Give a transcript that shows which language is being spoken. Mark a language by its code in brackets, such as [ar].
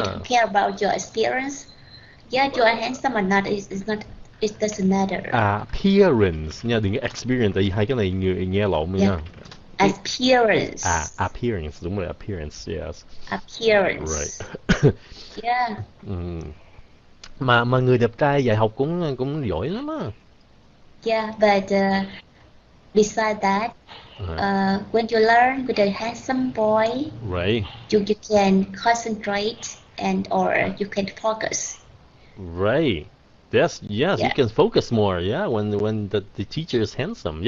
[en] don't care about your experience. Yeah, you are handsome or not is not It doesn't matter. [vi] appearance nha, đừng có experience, tại vì hai cái này nghe lộn nha. [en] Appearance. Appearance, đúng rồi, appearance, yes. Appearance. Right. Yeah. [vi] Mà người đẹp trai dạy học cũng cũng giỏi lắm á. [en] Yeah, but besides that, when you learn with a handsome boy, right, you can concentrate and or you can focus. Right. Yes, yes, yeah. You can focus more, yeah, when the teacher is handsome.